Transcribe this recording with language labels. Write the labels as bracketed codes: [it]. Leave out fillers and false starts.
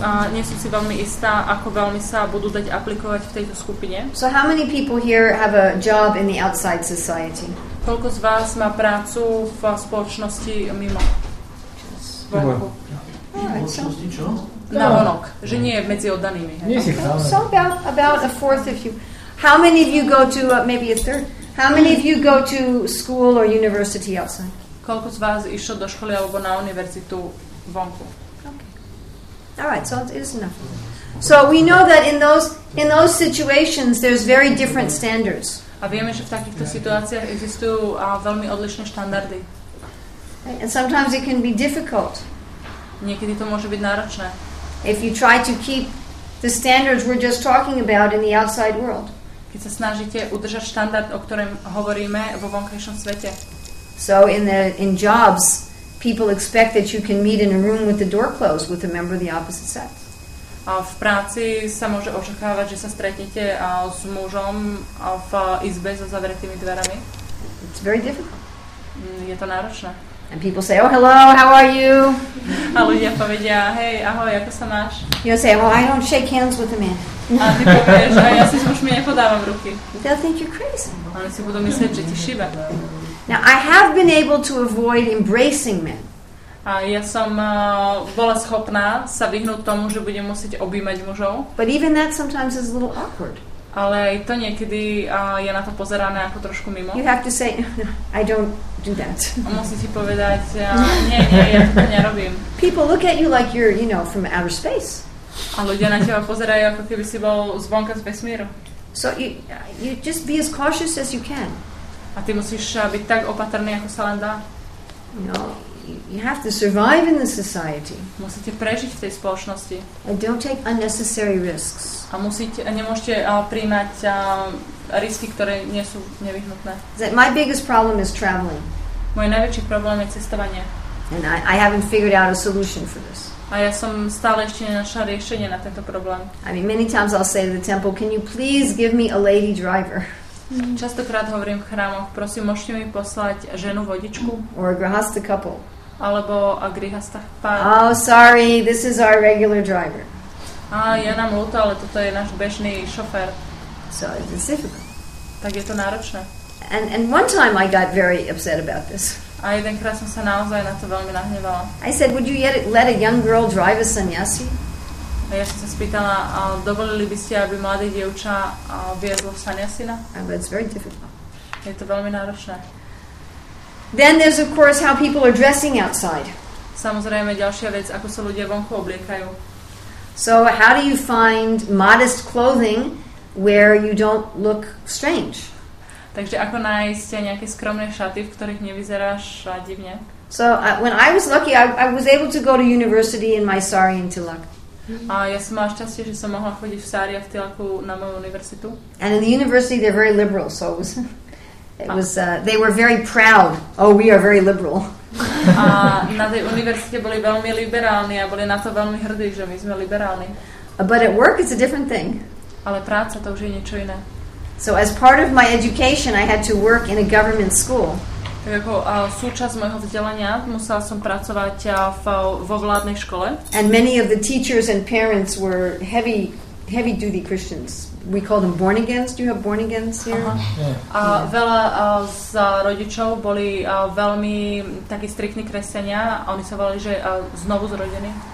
[sk] Nie som si veľmi istá, ako veľmi sa budú dať aplikovať v tejto skupine. [en] So how many people here have a job in the outside society? [sk] Koľko z vás má prácu v spoločnosti mimo? Spoločnosti čo? Navonok, že nie je medzi oddanými. [en] So about a fourth of you. How many of you go to maybe a third? How many of you go to school or university outside? [sk] Koľko z vás išlo do školy alebo na univerzitu vonku? [en] Okay. All right, so it is enough. So we know that in those situations there's very different standards. [sk] A vieme, že v takýchto situáciách existujú veľmi odlišné štandardy. [en] And sometimes it can be difficult. [sk] Niekedy to môže byť náročné. [en] If you try to keep the standards we're just talking about in the outside world. [sk] Keď sa snažíte udržať štandard, o ktorom hovoríme vo vonkajšom svete. [en] So in jobs, people expect that you can meet in a room with the door closed with a member of the opposite sex. [sk] A v práci sa môže očakávať, že sa stretnete s mužom v izbe so zavretými dverami. [en] It's very difficult. [sk] Je to náročné. [en] And people say, oh, hello, how are you? [sk] A ľudia povedia, hej, ahoj, ako sa máš? [en] You'll say, well, I don't shake hands with a man. [sk] A ty povieš, a ja si už mi nepodávam ruky. [en] They'll think you're crazy. [sk] Oni si budú myslieť, že ti šíbe. [en] Now, I have been able to avoid embracing men. [sk] A ja som bola schopná sa vyhnúť tomu, že budem musieť objímať mužov. [en] But even that sometimes is a little awkward. [sk] Ale aj to niekedy je na to pozerané ako trošku mimo. [en] You have to say, I don't do that. [sk] A musí ti povedať, nie, ja to nerobím. [en] People look at you like you're, you know, from outer space. [sk] A ľudia na teba pozerajú, ako keby si bol zvonka z vesmíru. [en] So you just be as cautious as you can. [sk] A ty musíš byť tak opatrný, ako sa len dá. [en] No, you have to survive in the society. [sk] Musíte prežiť v tej spoločnosti. [en] And don't take unnecessary risks. [sk] A musíte, nemôžete prijímať risky, ktoré nie sú nevyhnutné. [en] My biggest problem is traveling. [sk] Moje najväčší problém je cestovanie. [en] And I haven't figured out a solution for this. [sk] A ja som stále ešte nenašla riešenie na tento problém. [en] I mean, many times I'll say to the temple, can you please give me a lady driver? [sk] Častokrát hovorím v chrámoch, prosím, môžete mi poslať ženu vodičku? [en] Or a grihastha couple. [sk] Alebo a grihastha pár. [en] Oh, sorry, this is our regular driver. [sk] Ja nám ľúto, ale toto je náš bežný šofér. [en] So it's difficult. [sk] Tak je to náročné. [en] And one time I got very upset about this. [sk] A jedenkrát som sa naozaj na to veľmi nahnevala. [en] I said, would you let a young girl drive a sannyasi? [sk] A ja som sa spýtala, dovolili by ste, aby mladé dievča viedlo sannyasina? [en] But it's very difficult. [sk] Je to veľmi náročné. [en] Then there's of course how people are dressing outside. [sk] Samozrejme ďalšia vec, ako sa ľudia vonku obliekajú. [en] So how do you find modest clothing where you don't look strange? [sk] Takže ako nájsť nejaké skromné šaty, v ktorých nevyzeráš divne? [en] So when I was lucky, I was able to go to university in my sari in Tilak. [sk] A ja som mala šťastie, že som mohla chodiť v sari a v Tilaku na moju univerzitu. [en] And in the university they're very liberal, so they were very proud. Oh, we are very liberal. [sk] A na tej univerzite boli veľmi liberálni a boli na to veľmi hrdí, že my sme liberálni. [en] But at work it's a different thing. [sk] Ale práca to už je niečo iné. [en] So as part of my education, I had to work in a government school. [sk] Jako súčasť mojho vzdelania musela som pracovať vo vládnej škole. [en] And many of the teachers and parents were heavy, heavy duty Christians. We call them born agains. Do you have born agains here? [sk] A veľa z rodičov boli veľmi takí striktní kresťania a oni sa volali, že znovu zrodení.